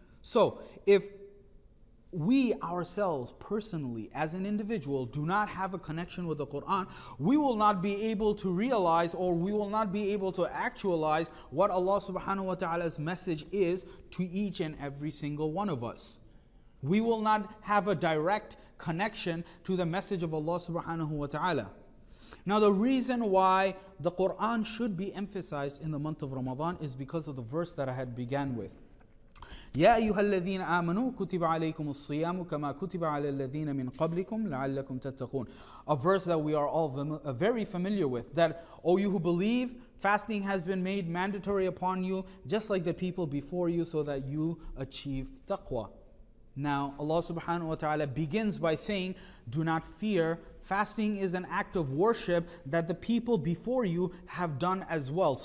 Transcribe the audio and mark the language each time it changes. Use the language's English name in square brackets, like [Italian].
[English] So if we ourselves, personally, as an individual, do not have a connection with the Quran, we will not be able to realize, or we will not be able to actualize what Allah subhanahu wa ta'ala's message is to each and every single one of us. We will not have a direct connection to the message of Allah subhanahu wa ta'ala. Now, the reason why the Quran should be emphasized in the month of Ramadan is because of the verse that I had began with. [Arabic] يا أيها الذين آمنوا كتب عليكم الصيام كما كتب على الذين من قبلكم لعلكم تتقون. [English] A verse that we are all very familiar with, that, O you who believe, fasting has been made mandatory upon you, just like the people before you, so that you achieve taqwa. Now, Allah subhanahu wa ta'ala begins by saying, do not fear, fasting is an act of worship that the people before you have done as well.